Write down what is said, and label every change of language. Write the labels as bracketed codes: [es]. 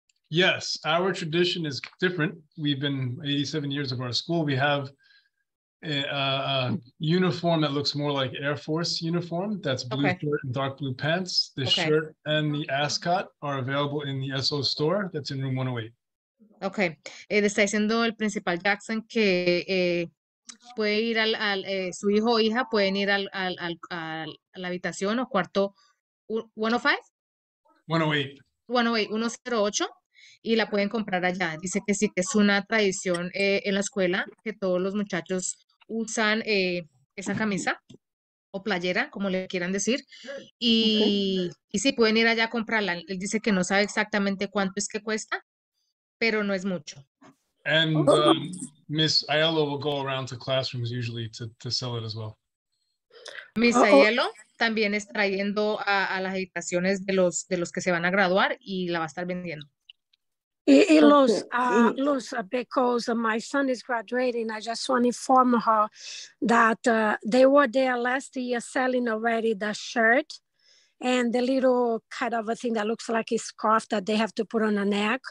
[en] Yes, our tradition is different. We've been 87 years of our school. We have a uniform that looks more like Air Force uniform. That's blue shirt and dark blue pants. The shirt and the ascot are available in the SO store. That's in room 108. Okay. [es] Está diciendo el principal Jackson que puede ir su hijo o hija pueden ir a la habitación o cuarto 105? 108, y la pueden comprar allá. Dice que sí, que es una tradición en la escuela, que todos los muchachos usan esa camisa o playera, como le quieran decir, y sí, pueden ir allá a comprarla. Él dice que no sabe exactamente cuánto es que cuesta, pero no es mucho. [en] And Miss Aiello will go around to classrooms usually to sell it as well. [es] Miss Aiello también está trayendo a las habitaciones de los que se van a graduar y la va a estar vendiendo. [en] Y Luz, because my son is graduating, I just want to inform her that they were there last year selling already the shirt and the little kind of a thing that looks like a scarf that they have to put on a neck.